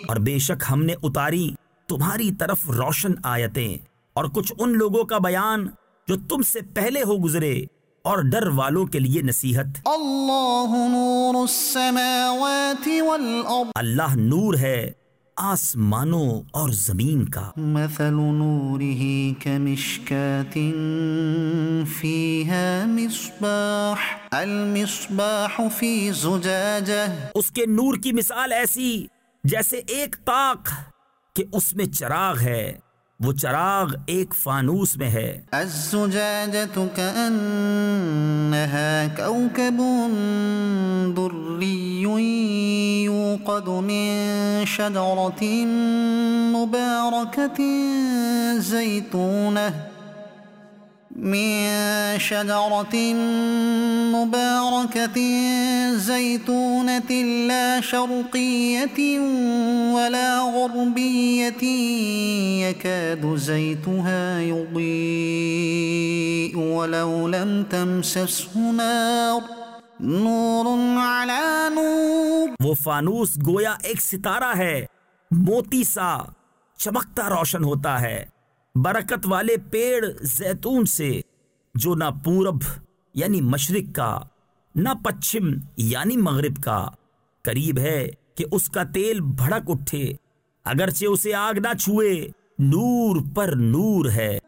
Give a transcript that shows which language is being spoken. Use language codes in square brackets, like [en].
[ur] اور بے شک ہم نے اتاری تمہاری طرف روشن آیتیں اور کچھ ان لوگوں کا بیان جو تم سے پہلے ہو گزرے اور ڈر والوں کے لیے نصیحت. [ar] اللہ نور السماوات والارض. [ur] اللہ نور ہے آسمانوں اور زمین کا. [ar] مثل نوره كمشكات فيها مصباح المصباح في زجاجة. [ur] اس کے نور کی مثال ایسی جیسے ایک طاق کہ اس میں چراغ ہے, وہ چراغ ایک فانوس میں ہے. [ar] الزجاجة كأنها كوكب دري يوقد من شجرة مباركة زيتونة لا شرقية ولا غربية يكاد زيتها يضيء ولو لم تمسسه نار نور على نور. [ur] وہ فانوس گویا ایک ستارہ ہے, موتی سا چمکتا روشن ہوتا ہے, برکت والے پیڑ زیتون سے جو نہ پورب یعنی مشرق کا نہ پچھم یعنی مغرب کا قریب ہے کہ اس کا تیل بھڑک اٹھے اگرچہ اسے آگ نہ چھوئے, نور پر نور ہے.